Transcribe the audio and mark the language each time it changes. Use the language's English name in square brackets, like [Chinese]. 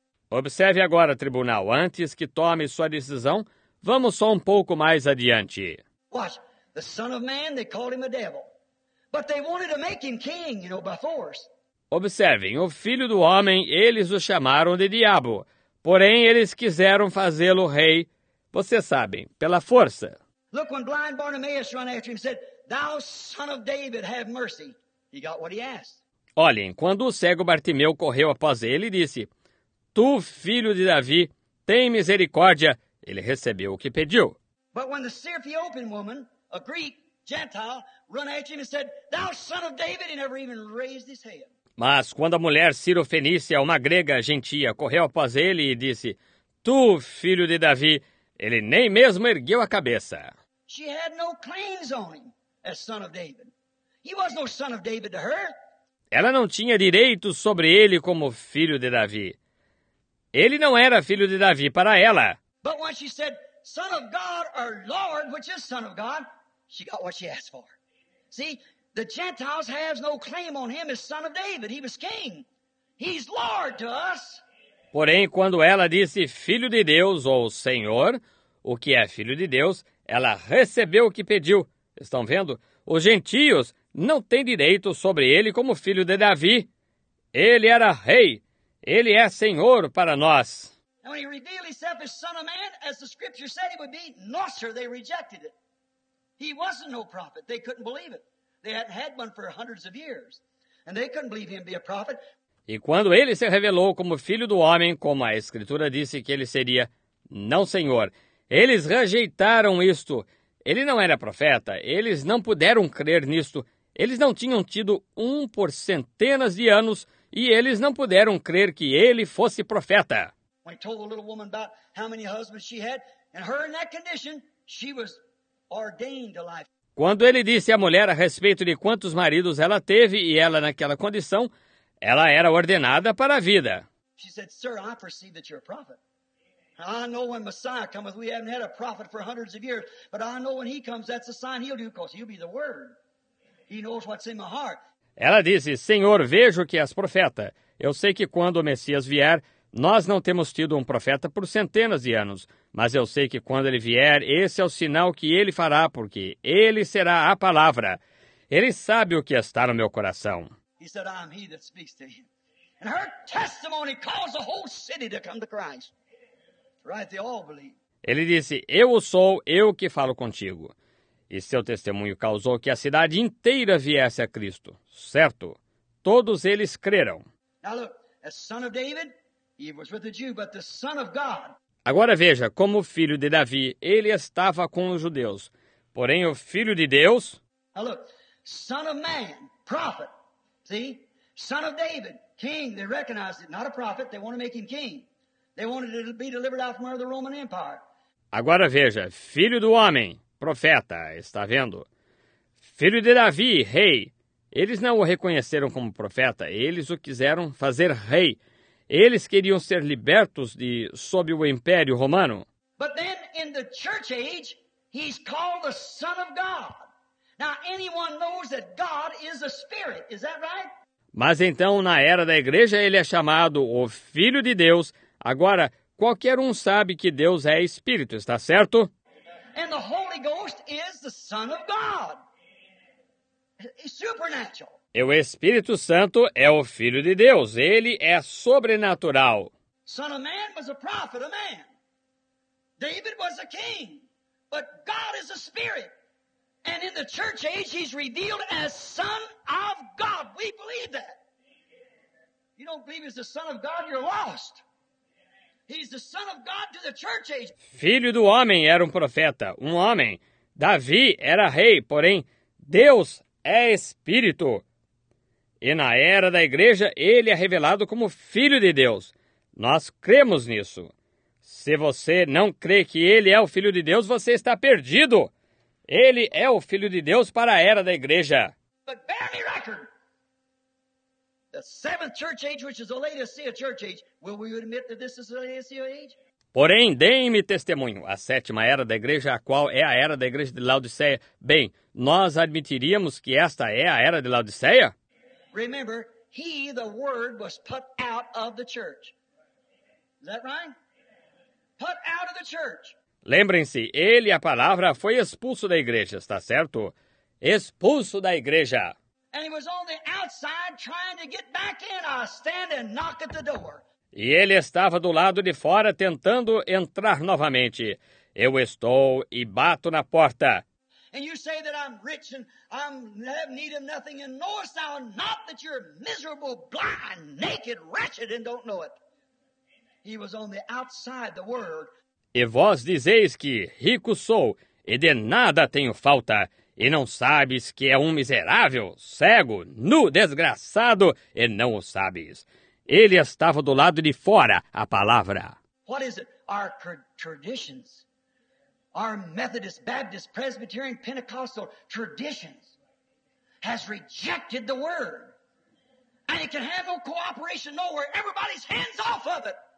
[Portuguese] Observe agora, tribunal, antes que tome sua decisão, vamos só um pouco mais adiante. [English] Watch, the son of man, they called him a devil, but they wanted to make him king, you know, by force. [Portuguese] Observem, o Filho do Homem, eles o chamaram de diabo, porém eles quiseram fazê-lo rei, vocês sabem, pela força. [English] Look, when blind Bartimaeus ran after him and said, "Thou son of David, have mercy," he got what he asked. [Portuguese] Olhem, quando o cego Bartimeu correu após ele e disse, "Tu, filho de Davi, tem misericórdia," ele recebeu o que pediu. [English] But when the Syrophoenician woman, a Greek Gentile, ran after him and said, "Thou son of David," he never even raised his head. [Portuguese] Mas quando a mulher sirofenícia, uma grega gentia, correu após ele e disse, "Tu, filho de Davi," ele nem mesmo ergueu a cabeça. [English] She had no claims on him as son of David. He was no son of David to her. [Portuguese] Ela não tinha direitos sobre ele como filho de Davi. Ele não era filho de Davi para ela. [English] But when she said, "Son of God," or "Lord," which is son of God, she got what she asked for. See? The Gentiles have no claim on him as son of David. He was king. He's Lord to us. [Portuguese] Porém, quando ela disse filho de Deus ou Senhor, o que é filho de Deus, ela recebeu o que pediu. Estão vendo? Os gentios não têm direito sobre ele como filho de Davi. Ele era rei. Ele é Senhor para nós. [English] And when he revealed himself as son of man, as the scripture said he would be, no sir, they rejected it. He wasn't no prophet. They couldn't believe it. They hadn't had one for hundreds of years. And they couldn't believe him be a prophet. [Portuguese] E quando ele se revelou como filho do homem, como a Escritura disse que ele seria, não, Senhor, eles rejeitaram isto. Ele não era profeta, eles não puderam crer nisto. Eles não tinham tido um por centenas de anos e eles não puderam crer que ele fosse profeta. [English] When he told the little woman about how many husbands she had, and her in that condition, she was ordained to life. [Portuguese] Quando ele disse à mulher a respeito de quantos maridos ela teve e ela naquela condição, ela era ordenada para a vida. [English] She said, "Sir, I perceive that you're a prophet. I know when Messiah cometh, we haven't had a prophet for hundreds of years, but I know when he comes, that's a sign he'll do, because he'll be the word. He knows what's in my heart." [Portuguese] Ela disse, "Senhor, vejo que és profeta. Eu sei que quando o Messias vier, nós não temos tido um profeta por centenas de anos, mas eu sei que quando ele vier, esse é o sinal que ele fará, porque ele será a palavra. Ele sabe o que está no meu coração." [English] He said, "I'm he that speaks to him. And her testimony caused the whole city to come to Christ." Right, they all believe. [Portuguese] Ele disse, "Eu sou eu que falo contigo." E seu testemunho causou que a cidade inteira viesse a Cristo. Certo? Todos eles creram. [English] Now look, as son of David, he was with the Jew, but the son of God. [Portuguese] Agora veja, como filho de Davi, ele estava com os judeus. Porém, o filho de Deus... [English] Now look, son of man, prophet. See? Son of David, king, they recognized it. Not a prophet, they want to make him king. They wanted to be delivered out from under the Roman Empire. [Portuguese] Agora veja, filho do homem, profeta, está vendo? Filho de Davi, rei. Eles não o reconheceram como profeta, eles o quiseram fazer rei. Eles queriam ser libertos de sob o Império Romano. [English] But then in the church age, he's called the Son of God. Now anyone knows that God is a spirit, is that right? [Portuguese] Mas então na era da igreja ele é chamado o Filho de Deus. Agora, qualquer um sabe que Deus é Espírito, está certo? [English] And the Holy Ghost is the Son of God. Supernatural. [Portuguese] E o Espírito Santo é o Filho de Deus. Ele é sobrenatural. [English] Son of man was a prophet, a man. David was a king. But God is a spirit. And in the church age, he's revealed as Son of God. We believe that. If you don't believe he's the Son of God, you're lost. He's the Son of God to the church age. [Portuguese] Filho do homem era um profeta, um homem. Davi era rei, porém, Deus é Espírito. E na era da igreja, ele é revelado como Filho de Deus. Nós cremos nisso. Se você não crê que ele é o Filho de Deus, você está perdido. Ele é o Filho de Deus para a era da igreja. [English] But bear me record. The seventh church age, which is the Laodicea church age, will we admit that this is the Laodicea age? [Portuguese] Porém, deem-me testemunho, a sétima era da igreja, a qual é a era da igreja de Laodiceia. Bem, nós admitiríamos que esta é a era de Laodiceia? [English] Remember, he, the word, was put out of the church. Is that right? Put out of the church. [Portuguese] Lembrem-se, ele, a palavra, foi expulso da igreja, está certo? Expulso da igreja. [English] And he was on the outside trying to get back in. I stand and knock at the door. [Portuguese] E ele estava do lado de fora tentando entrar novamente. Eu estou e bato na porta. [English] And you say that I'm rich and I'm have need of nothing, and knowest thou not that you're miserable, blind, naked, wretched, and don't know it. He was on the outside, the word. [Portuguese] E vós dizeis que rico sou e de nada tenho falta. E não sabes que é um miserável, cego, nu, desgraçado, e não o sabes. Ele estava do lado de fora, a palavra. [English] What is it? Our traditions. Our Methodist, Baptist, Presbyterian, Pentecostal traditions has rejected the word. And it can have no cooperation nowhere. Everybody's hands off of it.